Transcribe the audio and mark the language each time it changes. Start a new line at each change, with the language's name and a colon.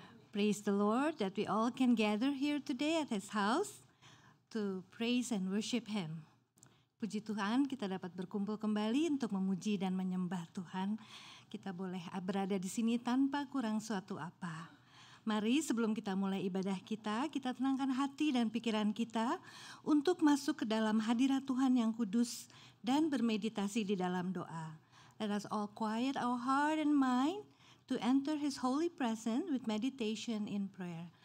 English: Praise the Lord that we all can gather here today at His house to praise and worship Him.
Indonesian: Puji Tuhan, kita dapat berkumpul kembali untuk memuji dan menyembah Tuhan. Kita boleh berada di sini tanpa kurang suatu apa. Mari sebelum kita mulai ibadah kita tenangkan hati dan pikiran kita untuk masuk ke dalam hadirat Tuhan yang kudus dan bermeditasi di dalam doa.
English: Let us all quiet our heart and mind to enter His holy presence with meditation in prayer.